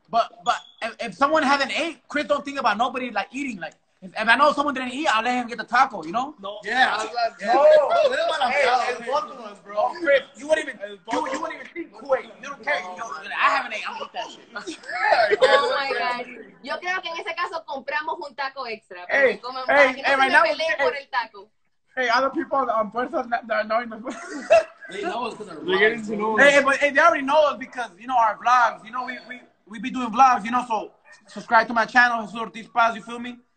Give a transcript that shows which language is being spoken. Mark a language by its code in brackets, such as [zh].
[en] But if someone hasn't ate, Chris don't think about nobody like eating. Like if I know someone didn't eat, I'll let him get the taco. You know? No. Yeah. No. Hey, it's Baltimore, bro. Chris, you wouldn't even think. Wait, you don't care. You know, I haven't ate. I'm with that shit. [es] Yo creo que en ese caso compramos un taco extra. Porque no se me peleen por el taco. [en] Hey, other people on Puerto Rico, they're annoying us. They're getting to know us. Hey, they already know us because, you know, our vlogs. You know, we be doing vlogs, you know, so subscribe to my channel, Jesús Ortiz Paz, you feel me?